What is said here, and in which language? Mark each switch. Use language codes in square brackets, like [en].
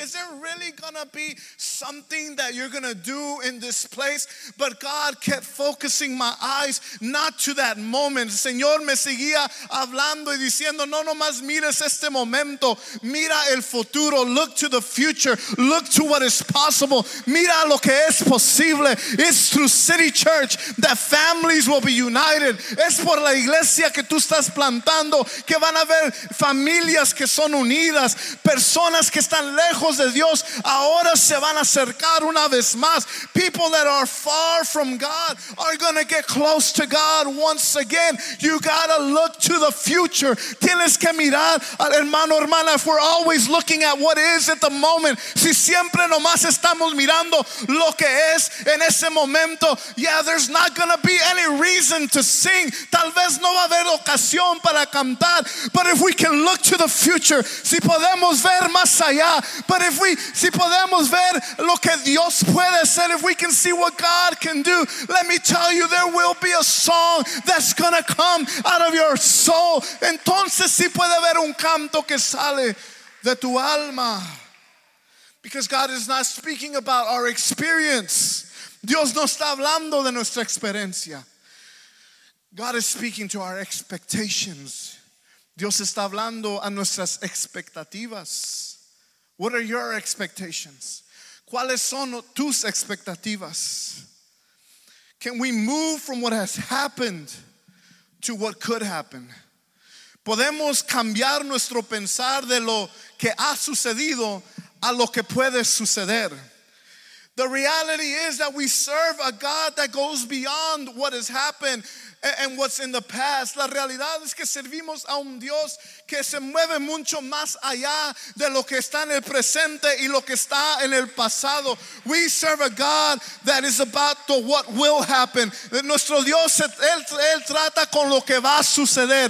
[en] Is there really going to be something that you're going to do in this place? But God kept focusing my eyes not to that moment. Señor, [es] me seguía hablando y diciendo, no nomás mires este momento, mira el futuro, [en] look to the future, look to what is possible, [es] mira lo que es posible. [en] It's through City Church that families will be united. [es] Es por la iglesia que tú estás plantando que van a haber familias que son unidas. Personas que están lejos de Dios ahora se van a acercar una vez más. [en] People that are far from God are going to get close to God once again. You gotta look to the future. [es] Tienes que mirar, hermano, hermana, [en] if we're always looking at what is at the moment. [es] Si siempre nomás estamos mirando lo que es en ese momento, [en] yeah, there's not going to be any reason to sing. [es] Tal vez no va a haber ocasión para cantar. [en] But if we can look to the future, [es] si podemos ver más allá, [en] but if we, [es] si podemos ver lo que Dios puede hacer, [en] if we can see what God can do, let me tell you, there will be a song that's gonna come out of your soul. [es] Entonces sí puede haber un canto que sale de tu alma. [en] Because God is not speaking about our experience. [es] Dios no está hablando de nuestra experiencia. [en] God is speaking to our expectations. [es] Dios está hablando a nuestras expectativas. [en] What are your expectations? [es] ¿Cuáles son tus expectativas? [en] Can we move from what has happened to what could happen? [es] ¿Podemos cambiar nuestro pensar de lo que ha sucedido a lo que puede suceder? [en] The reality is that we serve a God that goes beyond what has happened and what's in the past. [es] La realidad es que servimos a un Dios que se mueve mucho más allá de lo que está en el presente y lo que está en el pasado. [en] We serve a God that is about to what will happen. [es] Nuestro Dios, él trata con lo que va a suceder.